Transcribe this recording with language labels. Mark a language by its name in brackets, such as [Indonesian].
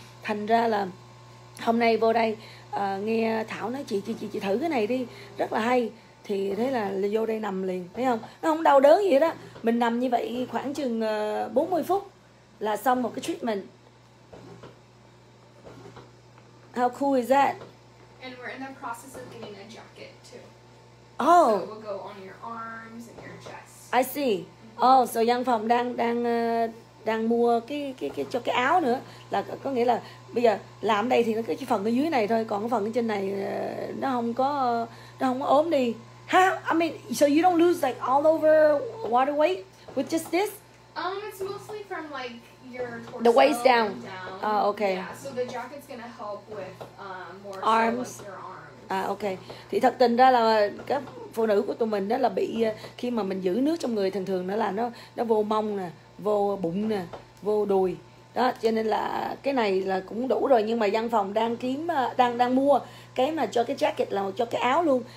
[Vietnamese] Thành ra là hôm nay vô đây nghe Thảo nói chị thử cái này đi, rất là hay. Thì thế là vô đây nằm liền, thấy không? Nó không đau đớn gì đó. Mình nằm như vậy khoảng chừng 40 phút là xong một cái treatment. [English] How cool is that? And we're in the process of getting a jacket too. Oh. So it will go on your arms and your chest. I see. Mm-hmm. [Vietnamese] Oh, so Giang Phòng đang mua cái cho cái áo nữa, là có nghĩa là bây giờ làm đây thì nó cái phần ở dưới này thôi, còn cái phần ở trên này nó không có ốm đi. [English] How? I mean, so you don't lose like all over water weight with just this? It's mostly from like your torso. The waist down. Oh, okay. Yeah, so the jacket's gonna help with more arms. So with your arms. Okay. [Vietnamese] Thì thật tình ra là các phụ nữ của tụi mình đó là bị khi mà mình giữ nước trong người thường thường đó là nó vô mông nè, vô bụng nè, vô đùi đó, cho nên là cái này là cũng đủ rồi. Nhưng mà văn phòng đang kiếm đang mua cái mà cho cái jacket, là cho cái áo luôn.